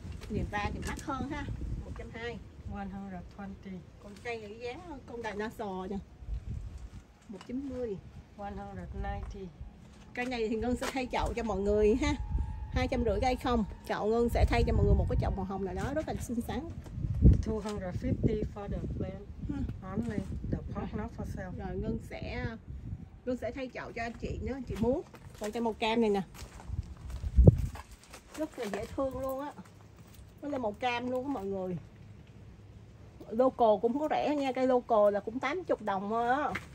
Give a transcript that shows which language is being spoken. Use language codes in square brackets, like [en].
[vi] Này va thì mắc hơn ha. 120. 120. Con cây này giá con đại na sò nha. 190. 190. Cây này thì Ngân sẽ thay chậu cho mọi người ha. 250 cây không, chậu Ngân sẽ thay cho mọi người một cái chậu màu hồng nào đó rất là xinh xắn. [en] 250 for the plant only, the pot not for sale. [vi] Rồi Ngân sẽ thay chậu cho anh chị nếu anh chị muốn. Còn cây màu cam này nè, rất là dễ thương luôn á. Nó là màu cam luôn á mọi người. Local cũng có rẻ nha, cây local là cũng 80 đồng thôi á.